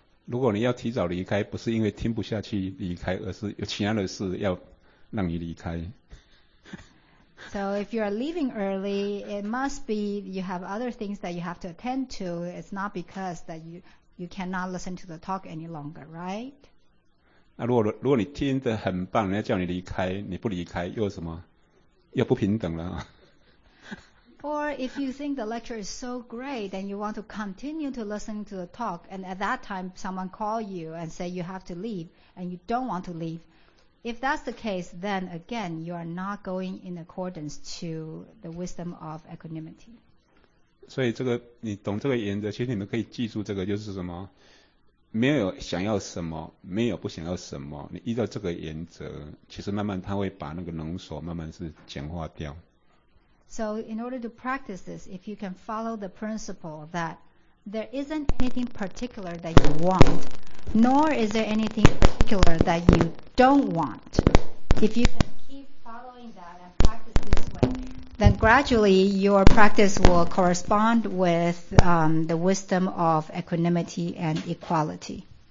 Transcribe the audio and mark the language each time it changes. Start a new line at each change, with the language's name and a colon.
Chinese: 如果你要提早离开，不是因为听不下去离开，而是有其他的事要让你离开。
English: So if you are leaving early, it must be you have other things that you have to attend to. It's not because that you cannot listen to the talk any longer, right?
Chinese: 那如果你听得很棒，人家叫你离开，你不离开，又什么？又不平等了。
English: Or if you think the lecture is so great, then you want to continue to listen to the talk, and at that time someone call you and say you have to leave, and you don't want to leave. If that's the case, then again, you are not going in accordance to the wisdom of equanimity.
Chinese: 所以这个你懂这个原则，其实你们可以记住这个，就是什么，没有想要什么，没有不想要什么。你依照这个原则，其实慢慢它会把那个能所慢慢是简化掉。
English: So in order to practice this, if you can follow the principle that there isn't anything particular that you want, nor is there anything particular that youdon't want. If you keep following that and practice this way, then gradually your practice will correspond with the wisdom of equanimity and equality.